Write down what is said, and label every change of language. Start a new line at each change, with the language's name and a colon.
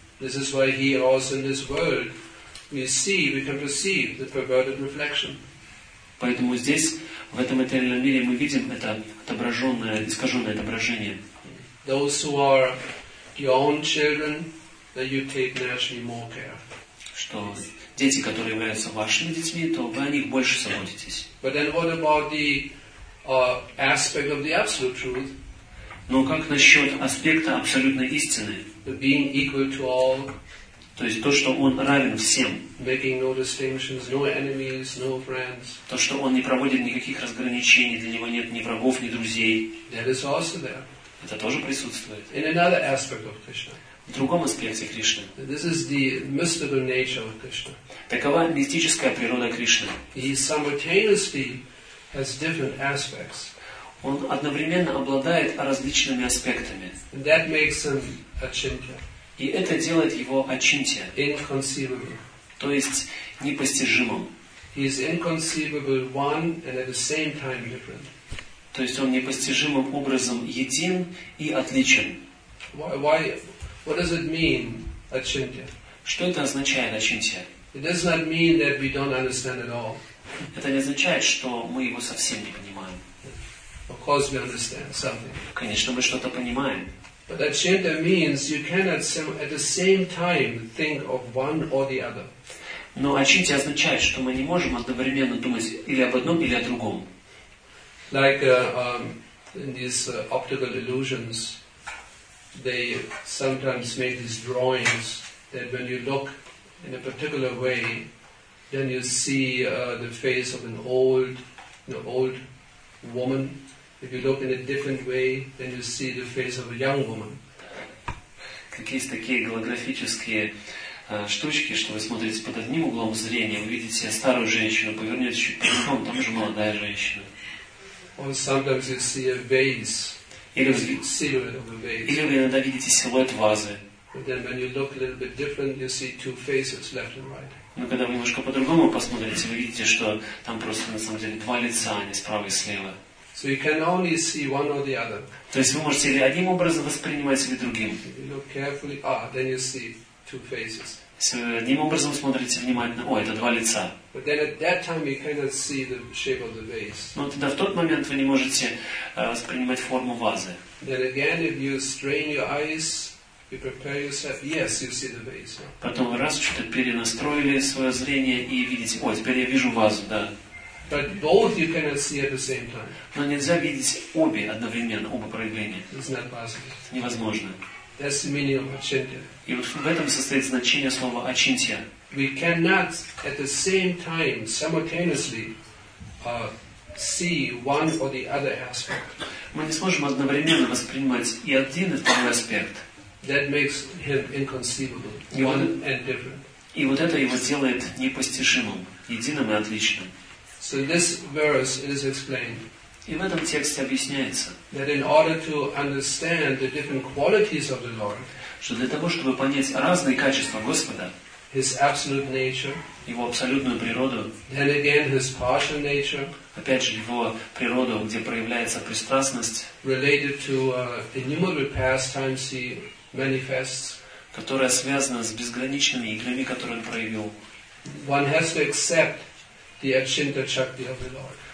English: This is why here also in this world we see, we can perceive the perverted reflection.
Russian: Поэтому здесь, в этом материальном мире, мы видим это отображенное, искаженное отображение.
English: Those who are your own children, that you take naturally more care.
Russian: Что дети, которые являются вашими детьми, то вы о них больше заботитесь.
English: But then what about the aspect of the absolute truth?
Russian: Но как насчет аспекта абсолютной истины?
English: Being equal to all.
Russian: То есть то, что он равен всем.
English: Making no distinctions, no enemies, no friends.
Russian: То, что он не проводит никаких разграничений, для него нет ни врагов, ни друзей.
English: That is also there.
Russian: Это тоже присутствует.
English: In another aspect of Krishna.
Russian: В другом аспекте Кришны.
English: This is the mystical nature of Krishna.
Russian: Такова мистическая природа Кришны.
English: He simultaneously has different aspects.
Russian: Он одновременно обладает различными аспектами.
English: That makes him achintya.
Russian: И это делает его ачинтья.
English: Inconceivable.
Russian: То есть непостижимым.
English: He is inconceivable one and at the same time different.
Russian: То есть он непостижимым образом един и отличен.
English: Why? What does it mean achintya?
Russian: Что это означает ачинтья?
English: It does not mean that we don't understand at all.
Russian: Это не означает, что мы его совсем не понимаем.
English: Of course, we understand something.
Russian: Конечно, мы что-то понимаем.
English: But achintya means you cannot at the same time think of one or the other.
Russian: Но achintya означает, что мы не можем одновременно думать или об одном, или о другом.
English: Like in these optical illusions, they sometimes make these drawings that when you look in a particular way, then you see the face of an old woman. If you look in a different way, then you see the face of a young woman.
Russian: Какие-то такие голографические штучки, что вы смотрите под одним углом зрения, вы видите старую женщину, повернётесь чуть по-другому, там уже молодая женщина.
English: Or sometimes you see a vase.
Russian: Или вы иногда видите силуэт вазы.
English: But then when you look a little bit different, you see two faces, left and right.
Russian: Но когда вы немножко по-другому посмотрите, вы видите, что там просто на самом деле два лица, а не справа и слева.
English: So you can only see one or the other.
Russian: То есть вы можете или одним образом воспринимать, или другим.
English: Look carefully. Ah, then you see two faces.
Russian: Если вы одним образом смотрите внимательно, о, это два лица.
English: But then at that time you cannot see the shape of the vase.
Russian: Но тогда в тот момент вы не можете воспринимать форму вазы.
English: Then again, if you strain your eyes, you prepare yourself. Yes, you see the vase.
Russian: Потом вы раз что-то перенастроили свое зрение и видите, о, теперь я вижу вазу, да.
English: But both you cannot see at the same time.
Russian: Но нельзя видеть обе одновременно, оба проявления.
English: It's not possible.
Russian: Невозможно.
English: That's the meaning of achintya.
Russian: И вот в этом состоит значение слова ачинтья.
English: We cannot at the same time simultaneously see one or the other aspect.
Russian: Мы не сможем одновременно воспринимать и один, и второй аспект.
English: That makes him inconceivable, one and different.
Russian: И вот это его делает непостижимым, единым и отличным.
English: So this verse is explained.
Russian: И в этом тексте объясняется,
English: that in order to understand the different qualities of the Lord,
Russian: что для того, чтобы понять разные качества Господа,
English: His absolute nature,
Russian: Его абсолютную природу,
English: then again His partial nature,
Russian: опять же Его природу, где проявляется пристрастность,
English: related to innumerable pastimes He manifests,
Russian: которая связана с безграничными играми, которые Он проявил,
English: one has to accept the Achintya Shakti of the Lord.